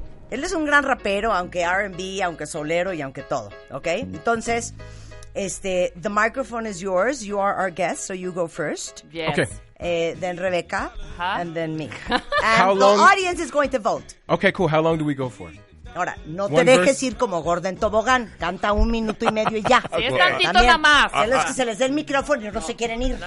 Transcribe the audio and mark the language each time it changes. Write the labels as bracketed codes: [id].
[es] Él es un gran rapero, aunque R&B, aunque solero y aunque todo, ¿ok? [en] Entonces, the microphone is yours. You are our guest, so you go first. Yes. Okay. Then Rebecca, uh-huh. And then me. And how the long? Audience is going to vote. Okay, cool. How long do we go for? [es] Ahora, no te dejes ir como Gordon Tobogán. Canta un minuto y medio y ya. Es tantito nada más. A los que se les dé el micrófono y no se quieren ir.